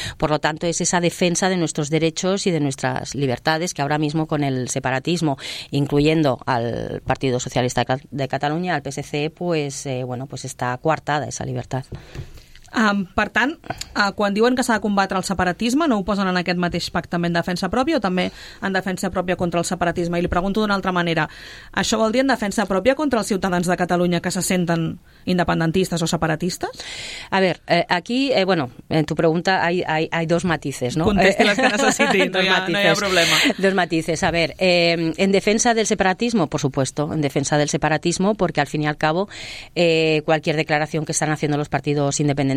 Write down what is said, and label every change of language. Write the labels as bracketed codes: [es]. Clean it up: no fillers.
[es] Por lo tanto, es esa defensa de nuestros derechos y de nuestras libertades que ahora mismo con el separatismo, incluyendo al Partido Socialista de Cataluña, al PSC, está coartada esa libertad. [ca] Per tant, quan diuen que s'ha de combatre el separatisme, no ho posen en aquest mateix pacte en defensa pròpia o també en defensa pròpia contra el separatisme? I li pregunto d'una altra manera. Això vol dir en defensa pròpia contra els ciutadans de Catalunya que se senten independentistes o separatistes? [es] A ver, aquí, en tu pregunta hay dos matices, ¿no? [ca] Contesti les que necessiti, no hi ha problema. [es] Dos matices. A ver, en defensa del separatismo, por supuesto, en defensa del separatismo, porque al fin y al cabo cualquier declaración que están haciendo los partidos independentistas